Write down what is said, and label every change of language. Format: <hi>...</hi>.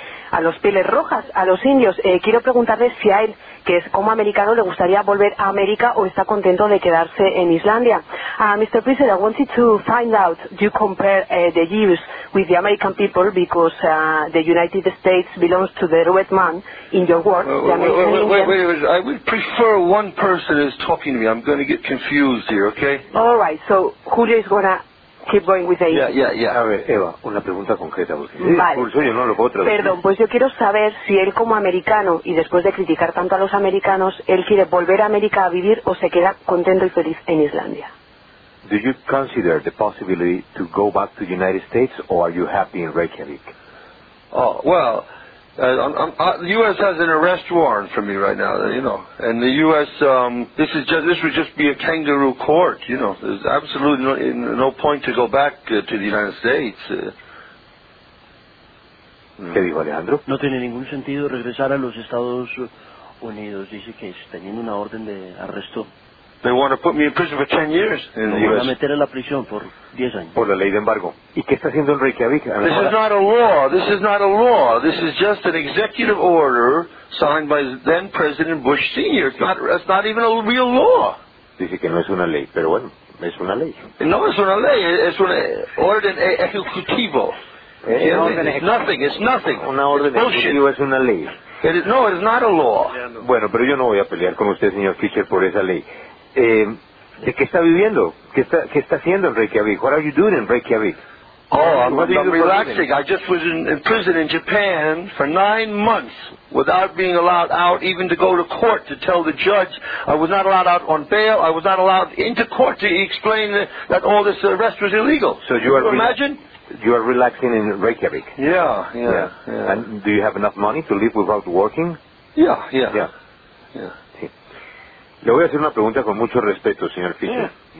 <es>a los pieles rojas, a los indios. Quiero preguntarle si a él, que es como americano, le gustaría volver a América o está contento de quedarse en Islandia.</es> <en>Mr. Priest, I wanted to find out, you compare the Jews with the American people because the United States belongs to the red man in your work. Wait, I would prefer one person is talking to me. I'm going to get confused here, okay? All right, so Julio is going to keep going with Eva. Yeah.</en> <es>A ver, Eva, una pregunta concreta. Porque vale. Pulso, yo no lo puedo traducir. Perdón, pues yo quiero saber si él como americano, y después de criticar tanto a los americanos, él quiere volver a América a vivir o se queda contento y feliz en Islandia.</es> <en>Do you consider the possibility to go back to the United States or are you happy in Reykjavik? The U.S. has an arrest warrant for me right now, you know. And the U.S., this would just be a kangaroo court, you know. There's absolutely no point to go back to the United States.</en> <es>¿Qué dijo Alejandro? No tiene ningún sentido regresar a los Estados Unidos. Dice que teniendo una orden de arresto.</es> <en>They want to put me in prison for 10 years in the U.S.</en> <es>Voy a meter en la prisión por 10 años. Por la ley de embargo. ¿Y qué está haciendo Enrique Avila?</es> <en>This is not a law. This is not a law. This is just an executive order signed by then President Bush Sr. It's not even a real law.</en> <es>Dice que no es una ley, pero bueno, es una ley. No es una ley. Es una orden ejecutivo.</es> <en>It's nothing.</en> <es>Una orden ejecutiva es una ley.</es> <en>It is not a law.</en> <es>Bueno, pero yo no voy a pelear con usted, señor Fischer, por esa ley. ¿De qué está viviendo? ¿Qué está haciendo en Reykjavik?</es> <en>What are you doing in Reykjavik? I'm relaxing. I just was in prison in Japan for 9 months without being allowed out even to go to court to tell the judge. I was not allowed out on bail. I was not allowed into court to explain that all this arrest was illegal. So you are imagine? You are relaxing in Reykjavik. Yeah. And do you have enough money to live without working? Yeah.</en> <es>Le voy a hacer una pregunta con mucho respeto, señor Fischer.</es>